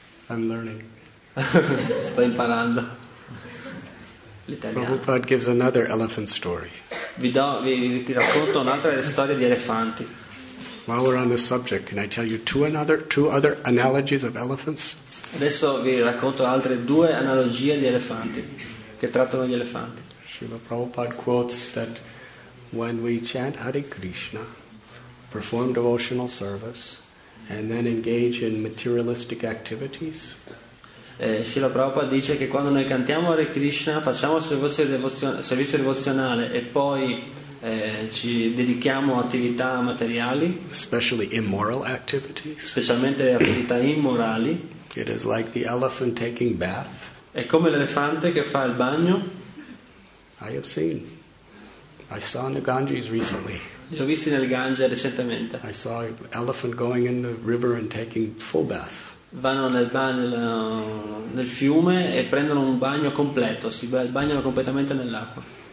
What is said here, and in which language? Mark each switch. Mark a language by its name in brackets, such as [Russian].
[English] I'm learning. [Italian] Sto imparando. [English] Prabhupada gives another elephant story. [Italian] Vi racconto un'altra storia di elefanti. [English] While we're on the subject, can I tell you two other analogies of elephants? [Italian] Adesso vi racconto altre due analogie di elefanti che trattano gli elefanti. [English] Srila Prabhupada quotes that when we chant Hare Krishna, perform devotional service, and then engage in materialistic activities. [Italian] Srila Prabhupada dice che quando noi cantiamo Hare Krishna, facciamo servizio devozionale e poi ci dedichiamo a attività materiali, [English] especially immoral activities. [Italian] Specialmente le attività immorali. [English] It is like the elephant taking bath. [Italian] È come l'elefante che fa il bagno. [English] I saw in the Ganges recently. [Italian] Li ho visti nel Gange recentemente. [English] I saw an elephant going in the river and taking full bath. [Italian] Vanno nel fiume e prendono un bagno completo, si bagnano completamente nell'acqua.